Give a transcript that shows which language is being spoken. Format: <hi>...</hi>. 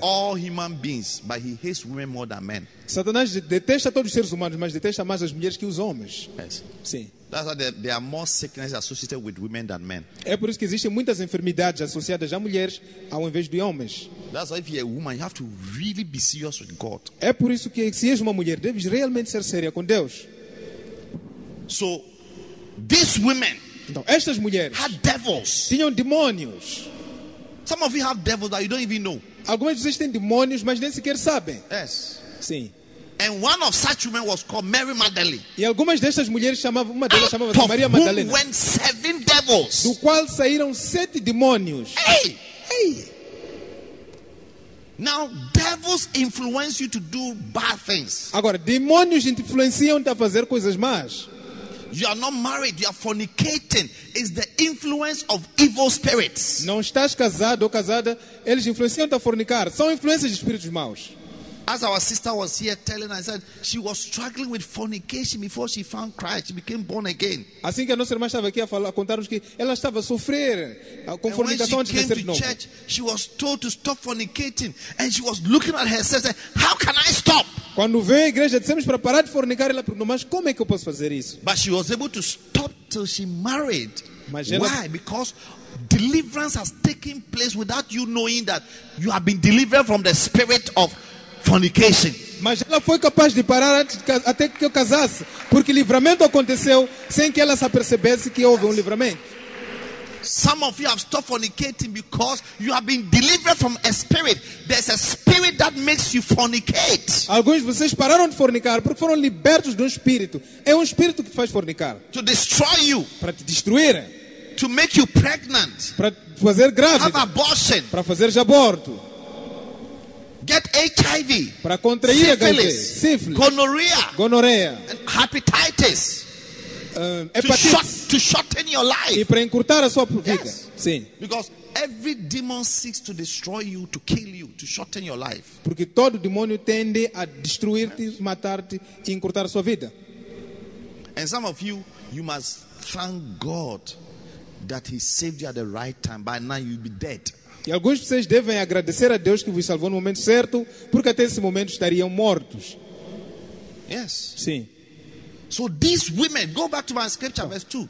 <en>All human beings, but he hates women more than men.</en> <pt>Satanás detesta todos os seres humanos, mas detesta mais as mulheres que os homens.</pt> <en>Yes.</en> <pt>Sim.</pt> <en>That's why there are more sicknesses associated with women than men.</en> <pt>É por isso que existem muitas enfermidades associadas a mulheres ao invés de homens.</pt> <en>That's why if you're a woman, you have to really be serious with God.</en> <pt>É por isso que se és uma mulher, deves realmente ser séria com Deus.</pt> <en>So, these women,</en> <pt>então, estas mulheres,</pt> <en>had devils.</en> <pt>Tinham demônios.</pt> <en>Some of you have devils that you don't even know.</en> <pt>Algumas de vocês têm demônios, mas nem sequer sabem.</pt> <en>Yes.</en> <pt>Sim.</pt> <en>And one of such women was called Mary Magdalene.</en> <pt>E algumas destas mulheres chamavam uma delas chamava-se Maria Madalena.</pt> <en>Out of whom went seven devils.</en> <pt>Do qual saíram sete demônios. Hey. Hey.</pt> <en>Now devils influence you to do bad things.</en> <pt>Agora demônios influenciam-te a fazer coisas más.</pt> <en>You are not married, you are fornicating. It's the influence of evil spirits.</en> <pt>Não estás casado ou casada, eles influenciam-te a fornicar. São influências de espíritos maus.</pt> <en>As our sister was here telling us that she was struggling with fornication before she found Christ, she became born again.</en> <pt>Assim que a nossa irmã estava aqui a falar, contar-nos que ela estava a sofrer com fornicação antes de ser novo.</pt> <en>Church, she was told to stop fornicating and she was looking at herself saying, how can I stop?</en> <pt>Quando veio à igreja, dissemos para parar de fornicar, ela perguntou, mas como é que eu posso fazer isso?</pt> <en>But she was able to stop till she married. Why? Because deliverance has taken place without you knowing that you have been delivered from the spirit of fornication.</en> <pt>Mas ela foi capaz de parar até que eu casasse, porque livramento aconteceu sem que ela se apercebesse que houve um livramento.</pt> <en>Some of you have stopped fornicating because you have been delivered from a spirit. There's a spirit that makes you fornicate.</en> <pt>Alguns de vocês pararam de fornicar porque foram libertos de um espírito. É um espírito que faz fornicar.</pt> <en>To destroy you.</en> <pt>Para te destruir.</pt> <en>To make you pregnant.</en> <pt>Para fazer grávida.</pt> <en>Have abortion.</en> <pt>Para fazer aborto.</pt> <en>Get HIV,</en> <pt>para contrair</pt> <en>syphilis,</en> <pt>HIV,</pt> <en>syphilis, gonorrhea, and hepatitis, hepatitis, to shorten your life,</en> <pt>e para encurtar a sua vida.</pt> <en>Yes.</en> <pt>Sim.</pt> <en>Because every demon seeks to destroy you, to kill you, to shorten your life.</en> <pt>Porque todo demônio tende a destruir-te, matar-te e encurtar a sua vida.</pt> <en>And some of you, you must thank God that He saved you at the right time. By now, you'll be dead.</en> <pt>E alguns de vocês devem agradecer a Deus que vos salvou no momento certo, porque até esse momento estariam mortos.</pt> <en>Yes.</en> <pt>Sim.</pt> <en>So these women, go back to my scripture, verse 2.</en>